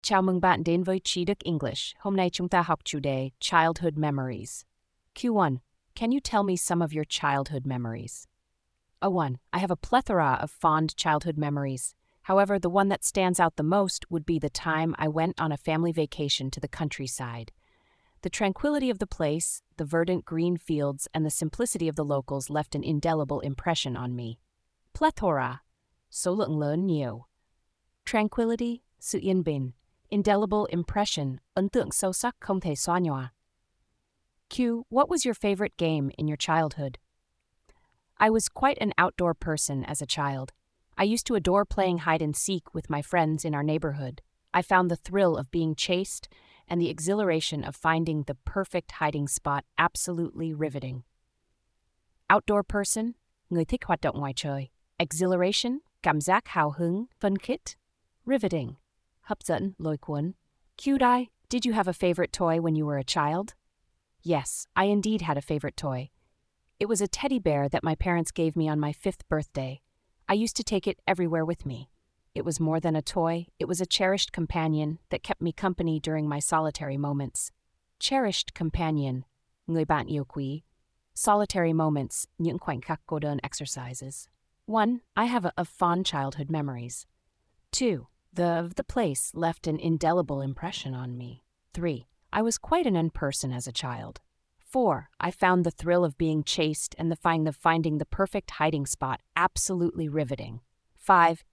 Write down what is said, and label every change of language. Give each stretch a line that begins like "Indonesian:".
Vietnamese: Chào mừng bạn đến với Trí Đức English. Hôm nay chúng ta học chủ đề Childhood Memories.
English: Q1. Can you tell me some of your childhood memories? O1. I have a plethora of fond childhood memories. However, the one that stands out the most would be the time I went on a family vacation to the countryside. The tranquility of the place, the verdant green fields, and the simplicity of the locals left an indelible impression on me.
Vietnamese: Plethora. Số lượng lớn nhiều. Tranquility. Sự yên bình. Indelible impression, ấn tượng sâu sắc không thể xóa nhòa.
English: Q. What was your favorite game in your childhood? I was quite an outdoor person as a child. I used to adore playing hide and seek with my friends in our neighborhood. I found the thrill of being chased and the exhilaration of finding the perfect hiding spot absolutely riveting.
Vietnamese: Outdoor person, người thích hoạt động ngoài trời. Exhilaration, cảm giác hào hứng, phấn khích. Riveting. Hấp dẫn, lôi cuốn.
English: Cutie, did you have a favorite toy when you were a child? Yes, I indeed had a favorite toy. It was a teddy bear that my parents gave me on my 5th birthday. I used to take it everywhere with me. It was more than a toy, it was a cherished companion that kept me company during my solitary moments.
Vietnamese: Cherished companion, người bạn yêu quý. Solitary moments, những khoảnh khắc cô đơn exercises.
English: 1. I have a fond childhood memories. 2. The place left an indelible impression on me. 3. I was quite an end person as a child. 4. I found the thrill of being chased and the finding the perfect hiding spot absolutely riveting. 5.